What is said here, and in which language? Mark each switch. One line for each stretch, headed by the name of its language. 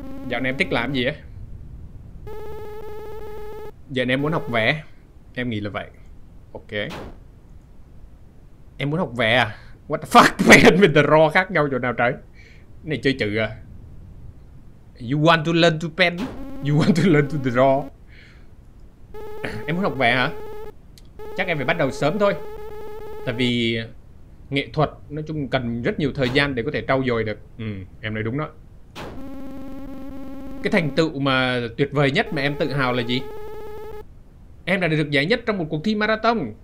Vietnamese: Dạo này em thích làm gì á? Giờ này em muốn học vẽ. Em nghĩ là vậy. Ok. Em muốn học vẽ à?
English: What the fuck?
Vietnamese: Vẽ
English: with draw
Vietnamese: khác nhau chỗ nào trời? Cái này chơi chữ à?
English: You want to learn to paint? You want to learn to draw?
Vietnamese: Em muốn học vẽ hả? Chắc em phải bắt đầu sớm thôi. Tại vì nghệ thuật nói chung cần rất nhiều thời gian để có thể trau dồi được. Ừ, em nói đúng đó. Cái thành tựu mà tuyệt vời nhất mà em tự hào là gì? Em đã được giải nhất trong một cuộc thi marathon.